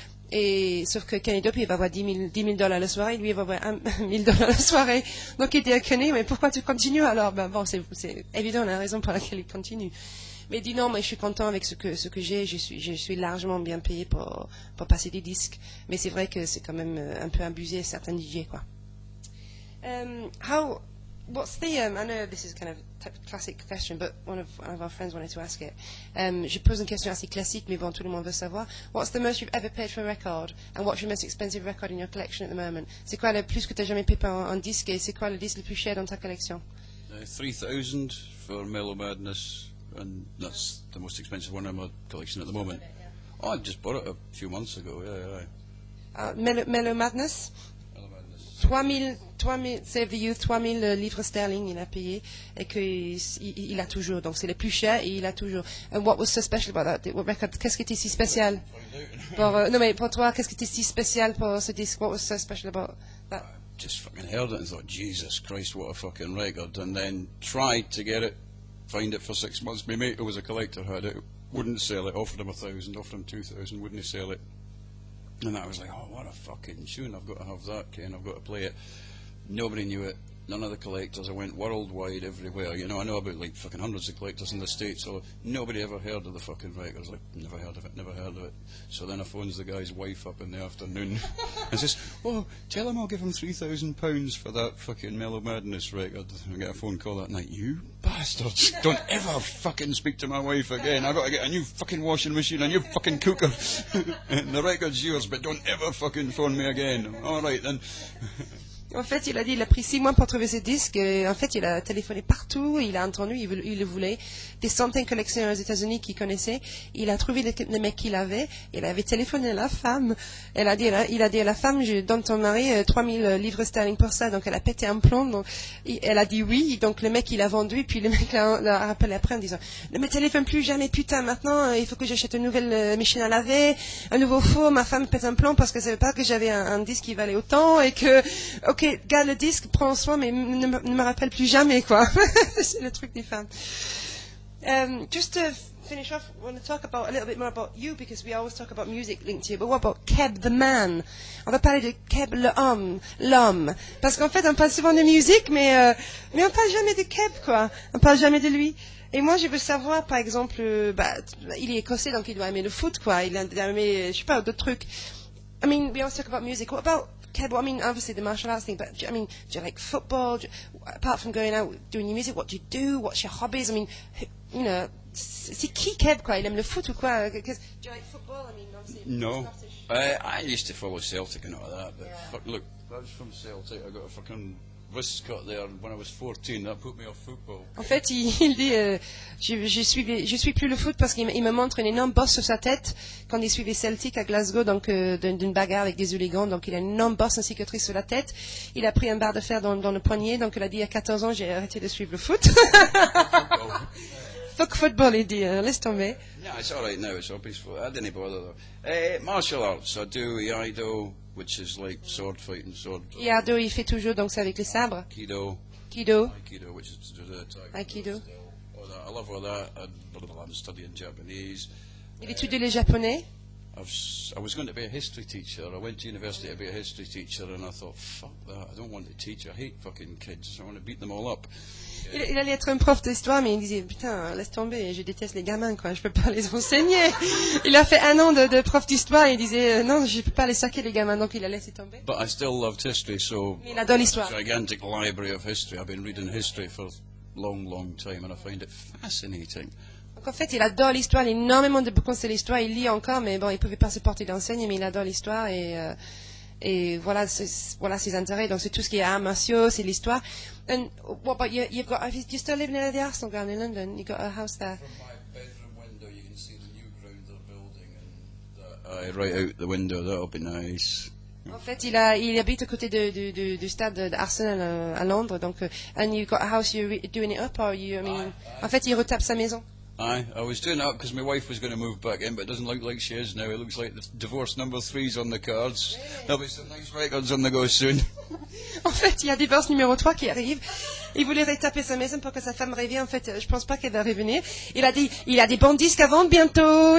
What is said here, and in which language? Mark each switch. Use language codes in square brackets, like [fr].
[fr] Et sauf que Kenny Dope, il va avoir 10 000 $ la soirée, lui, il va avoir 1 000 $ la soirée. Donc, il dit à Kenny, mais pourquoi tu continues alors? Ben bon, c'est évident la raison pour laquelle il continue. Mais il dit non, mais je suis content avec ce que j'ai. Je suis largement bien payé pour passer des disques. Mais c'est vrai que c'est quand même un peu abusé, certains DJ, quoi. [en] What's the, I know this is kind of classic question, but one of our friends wanted to ask it. [fr] Je pose une question assez classique, mais bon, tout le monde veut savoir. [en] What's the most you've ever paid for a record? And what's your most expensive record in your collection at the moment? [fr] C'est quoi le plus que tu as jamais payé pour un disque? Et c'est quoi le disque le plus cher dans ta collection? [en] 3,000 for Mellow Madness, and that's the most expensive one in my collection at the moment. Oh, I just bought it a few months ago, yeah. [fr] Mellow Madness? 3 000, Save the Youth, 3 000 livres sterling il a payé et qu'il a toujours. Donc c'est le plus cher et il a toujours. [en] And what was so special about that? What record? [fr] Qu'est-ce qui était si spécial? Pour toi, qu'est-ce qui était si spécial pour ce disque? [en] What was so special about that? I just fucking heard it and thought, Jesus Christ, what a fucking record. And then tried to get it, find it for 6 months. My mate, who was a collector, heard it, wouldn't sell it, offered him 1,000, offered him 2,000, wouldn't he sell it? And I was like, oh, what a fucking tune, I've got to have that, Ken, I've got to play it. Nobody knew it, none of the collectors. I went worldwide everywhere, you know. I know about like fucking hundreds of collectors in the States, so nobody ever heard of the fucking record. I was like, never heard of it, never heard of it. So then I phones the guy's wife up in the afternoon and says, oh, tell him I'll give him £3,000 for that fucking Mellow Madness record. I get a phone call that night, you bastards, don't ever fucking speak to my wife again. I've got to get a new fucking washing machine, a new fucking cooker. And the record's yours, but don't ever fucking phone me again. All right, then. [fr] En fait, il a dit, il a pris 6 mois pour trouver ses disques. En fait, il a téléphoné partout, il a entendu, il le voulait. Des centaines de collectionneurs aux États-Unis qu'il connaissait. Il a trouvé le mec qu'il avait. Il avait téléphoné à la femme. Il a dit à la femme, je donne ton mari 3 000 livres sterling pour ça. Donc, elle a pété un plomb. Donc, elle a dit oui. Donc, le mec, il a vendu. Puis, le mec l'a rappelé après en disant, ne me téléphone plus jamais, putain, maintenant. Il faut que j'achète une nouvelle machine à laver, un nouveau four. Ma femme pète un plomb parce qu'elle ne savait pas que j'avais un disque qui valait autant et que, ok, garde le disque, prends soin, mais ne me rappelle plus jamais, quoi. C'est le truc des femmes. [en] Just finish off, we want to talk about a little bit more about you, because we always talk about music linked to you, but what about Keb the man? [fr] On va parler de Keb l'homme. Parce qu'en fait, on parle souvent de musique, mais on parle jamais de Keb, quoi. On parle jamais de lui. Et moi, je veux savoir, par exemple, il est écossais, donc il doit aimer le foot, quoi. Il a aimé, je sais pas, d'autres trucs. [en] I mean, we always talk about music. What about Keb? Well, I mean, obviously the martial arts thing, but I mean, do you like football? Apart from going out doing your music, what do you do? What's your hobbies? I mean, you know, [fr] c'est qui Keb, quoi? Il aime le foot ou quoi? [en] Do you like football? I mean, obviously. No. I used to follow Celtic and all that, but yeah. Fuck, look, I was from Celtic. I got a fucking wrist cut there when I was 14. That put me off football. [fr] En fait, il dit, je suis plus le foot parce qu'il me montre une énorme bosse sur sa tête quand il suivait Celtic à Glasgow, donc d'une bagarre avec des hooligans. Donc il a une énorme bosse, une cicatrice sur la tête. Il a pris un bar de fer dans le poignet. Donc il a dit, à 14 ans, j'ai arrêté de suivre le foot. [en] Fuck football, [fr] il dit, laisse tomber. [en] No, it's all right now, it's all peaceful. I didn't bother though. Martial arts, I do Iaido, which is like sword fighting, sword. [fr] Iaido, il fait toujours, donc c'est avec les sabres. [en] Aikido. Aikido. Aikido, which is to do the attack. Aikido. All that. I love all that. I'm studying Japanese. [fr] Il étudie les japonais. [en] I was going to be a history teacher. I went to university to be a history teacher, and I thought, fuck that, I don't want to teach. I hate fucking kids. I want to beat them all up. [fr] Il allait être un prof d'histoire, mais il disait, putain, laisse tomber, je déteste les gamins, quoi, je peux pas les enseigner. Il a fait un an de prof d'histoire, il disait, non, je peux pas les saquer, les gamins, donc il a laissé tomber. [en] But I still loved history, so. [fr] Mais il adore l'histoire. [en] Gigantic library of history. I've been reading history for long, long time, and I find it fascinating. [fr] Donc en fait, il adore l'histoire, il a énormément de bouquins sur l'histoire, il lit encore, mais bon, il pouvait pas se porter d'enseigner, mais il adore l'histoire, et voilà, voilà ses intérêts, donc c'est tout ce qui est arts martiaux, c'est l'histoire. [en] And what about you? You've got, have you still live near the Arsenal ground in London? You've got a house there? From my bedroom window, you can see the new ground they're building, and I write out the window, that'll be nice. [fr] En fait, il habite à côté du stade d'Arsenal à Londres, donc, [en] and you've got a house, you're doing it up, or you, I mean, [fr] en fait, il retape sa maison. [en] I was doing it up because my wife was going to move back in, but it doesn't look like she is now. It looks like the divorce number 3 is on the cards. Really? There'll be some nice records on the go soon. [fr] En fait, il y a divorce numéro 3 qui arrive. Il voulait retaper sa maison pour que sa femme revienne. En fait, je pense pas qu'elle va revenir. Il a dit, il a des bons disques à vendre bientôt.